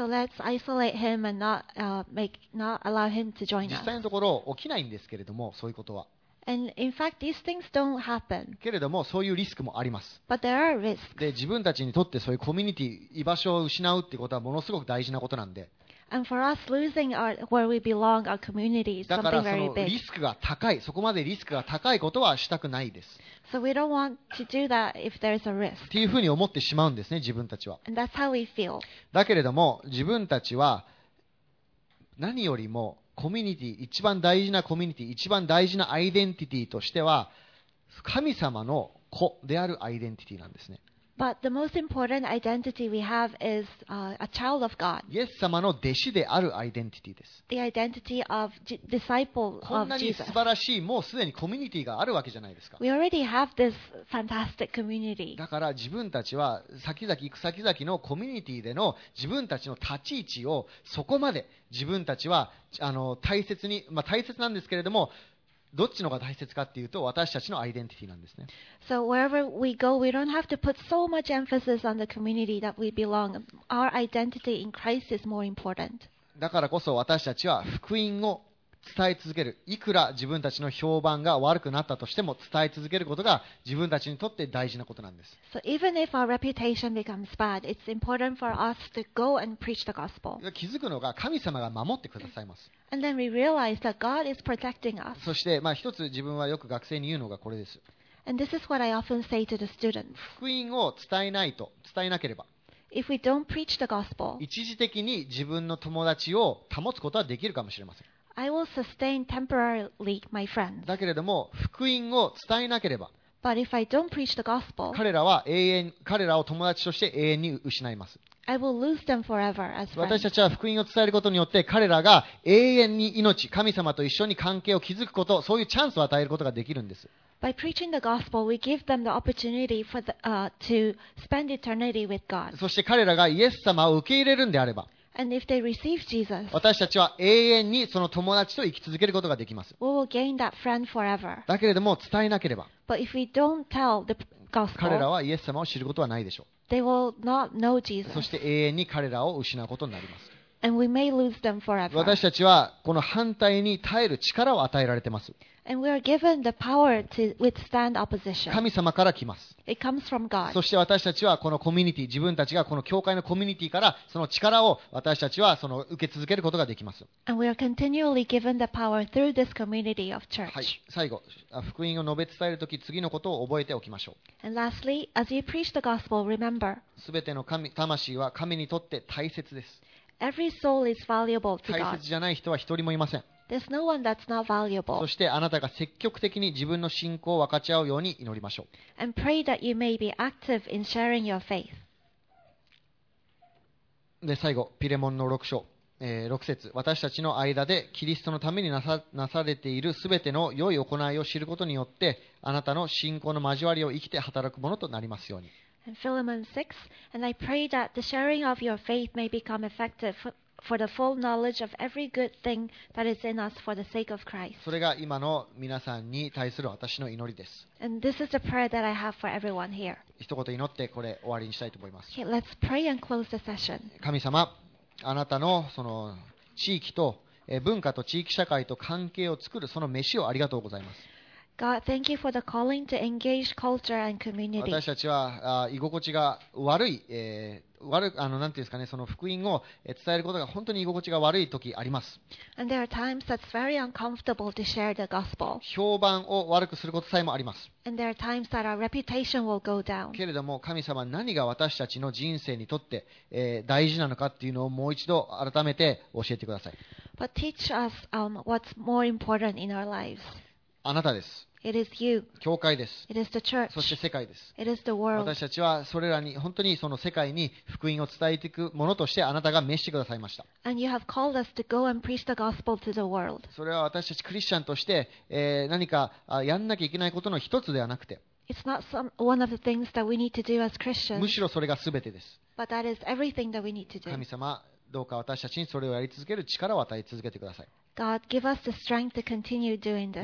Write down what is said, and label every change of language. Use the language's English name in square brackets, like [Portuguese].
[English] So let's isolate him and not allow him to join us. [Japanese] 実際のところ起きないんですけれどもそういうことは。 [English] And in fact, these things don't happen. [Japanese] けれどもそういうリスクもあります。 [English] But there are risks. [Japanese] で自分たちにとってそういうコミュニティ居場所を失うってことはものすごく大事なことなんで。 [English] And for us, losing our, where we belong, our community is something very big. [Japanese] だからそのリスクが高い、そこまでリスクが高いことはしたくないです。 [English] So we don't want to do that if there's a risk. [Japanese] っていうふうに思ってしまうんですね、自分たちは。 [English] And that's how we feel. [Japanese] だけれども、自分たちは何よりもコミュニティ、一番大事なコミュニティ、一番大事なアイデンティティとしては、神様の子であるアイデンティティなんですね。 [English] But the most important identity we have is a child of God. [Japanese] イエス様の弟子であるアイデンティティです。 [English] The identity of disciple of Jesus. [Japanese] こんなに素晴らしい、もうすでにコミュニティがあるわけじゃないですか。 [English] We already have this fantastic community. [Japanese] だから自分たちは先々行く先々のコミュニティでの自分たちの立ち位置をそこまで自分たちは大切に、まあ大切なんですけれども、どっちのが大切かっていうと私たちのアイデンティティなんですね。 [English] So wherever we go, we don't have to put so much emphasis on the community that we belong. Our identity in Christ is more important. [Japanese] だからこそ私たちは福音を伝え続ける。いくら自分たちの評判が悪くなったとしても伝え続けることが自分たちにとって大事なことなんです。 [English] So even if our reputation becomes bad, it's important for us to go and preach the gospel. [Japanese] 気づくのが神様が守ってくださいます。 [English] And then we realize that God is protecting us. [Japanese] そして、まあ、一つ自分はよく学生に言うのがこれです。 [English] And this is what I often say to the students. [Japanese] 福音を伝えないと、伝えなければ。 [English] If we don't preach the gospel, [Japanese] 一時的に自分の友達を保つことはできるかもしれません。 [English] I will sustain temporarily my friends. [Japanese] だけれども、福音を伝えなければ、 [English] But if I don't preach the gospel, [Japanese] 彼らを友達として永遠に失います。 [English] I will lose them forever as friends. [Japanese] 私たちは福音を伝えることによって彼らが永遠に命、神様と一緒に関係を築くこと、そういうチャンスを与えることができるんです。 [English] By preaching the gospel, we give them the opportunity for the, to spend eternity with God. [Japanese] そして彼らがイエス様を受け入れるんであれば、 [English] And if they receive Jesus, [Japanese] 私たちは永遠にその友達と生き続けることができます。 [English] We will gain that friend forever. [Japanese] だけれども伝えなければ、 [English] But if we don't tell the gospel, [Japanese] 彼らはイエス様を知ることはないでしょう。 [English] They will not know Jesus. [Japanese] そして永遠に彼らを失うことになります。 [English] And we may lose them forever. [Japanese] 私たちはこの反対に耐える力を与えられています。 [English] And we are given the power to withstand opposition. [Japanese] 神様から来ます。 [English] It comes from God. [Japanese] そして私たちはこのコミュニティ、自分たちがこの教会のコミュニティからその力を私たちはその受け続けることができます。 [English] And we are continually given the power through this community of church. [Japanese] はい、最後、福音を述べ伝えるとき次のことを覚えておきましょう。 [English] And lastly, as you preach the gospel, remember. [Japanese] 全ての魂は神にとって大切です。 [English] Every soul is valuable to God. [Japanese] 大切じゃない人は一人もいません。 [English] There's no one that's not valuable. [Japanese] そしてあなたが積極的に自分の信仰を分かち合うように祈りましょう。 [English] And pray that you may be active in sharing your faith. [Japanese] で、最後、ピレモンの6章。 6節、私たちの間でキリストのためになされているすべての良い行いを知ることによって、あなたの信仰の交わりを生きて働くものとなりますように。 [English] Philemon 6, and I pray that the sharing of your faith may become effective for the full knowledge of every good thing that is in us for the sake of Christ. [Japanese] それが今の皆さんに対する私の祈りです。 [English] And this is the prayer that I have for everyone here. [Japanese] 一言祈ってこれ終わりにしたいと思います。 [English] Okay, let's pray and close the session. [Japanese] 神様、あなたのその地域と文化と地域社会と関係を作るその飯をありがとうございます。 [English] God, thank you for the calling to engage culture and community. [Japanese] 私たちは居心地が悪い、なんていうんですかね、その福音を伝えることが本当に居心地が悪い時あります。 [English] And there are times that's very uncomfortable to share the gospel. [Japanese] 評判を悪くすることさえもあります。 [English] And there are times that our reputation will go down. [Japanese] けれども神様、何が私たちの人生にとって大事なのかっていうのをもう一度改めて教えてください。 [English] But teach us what's more important in our lives. [Japanese] あなたです。 [English] It is you. [Japanese] 教会です。 [English] It is the church. [Japanese] そして世界です。 [English] It is the world. [Japanese] 私たちはそれらに本当にその世界に福音を伝えていくものとしてあなたが召してくださいました。 [English] And you have called us to go and preach the gospel to the world. [Japanese] それは私たちクリスチャンとして、何かやんなきゃいけないことの一つではなくて、 [English] It's not some one of the things that we need to do as Christians. [Japanese] むしろそれが全てです。 [English] But that is everything that we need to do. [Japanese] 神様、どうか私たちにそれをやり続ける力を与え続けてください。 [English] God, give us the strength to continue doing this.